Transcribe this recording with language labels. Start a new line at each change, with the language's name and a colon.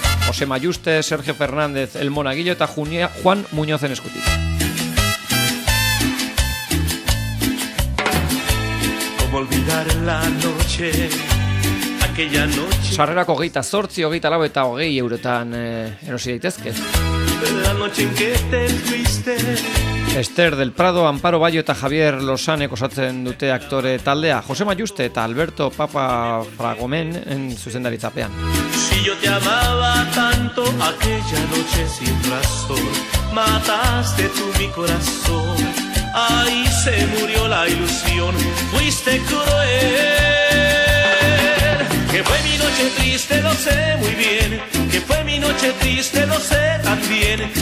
Basque: José Mayuste, Sergio Fernández, El Monaguillo eta Juan Muñoz en eskutik.
Spanish: Olvidar la noche, aquella noche.
Basque: Sarrerako 28, 24 eta 20 eurotan erosi daitezke.
Spanish: La noche en que te fuiste.
Basque: Esther del Prado, Amparo Bayo eta Javier Lozane osatzen dute aktore taldea. José Mayuste eta Alberto Papa Fragomen en zuzendaritzapean.
Spanish: Si yo te amaba tanto aquella noche sin razón, mataste tu mi corazón. Ahí se murió la ilusión, fuiste cruel. Que fue mi noche triste, lo sé muy bien. Que fue mi noche triste, lo sé también.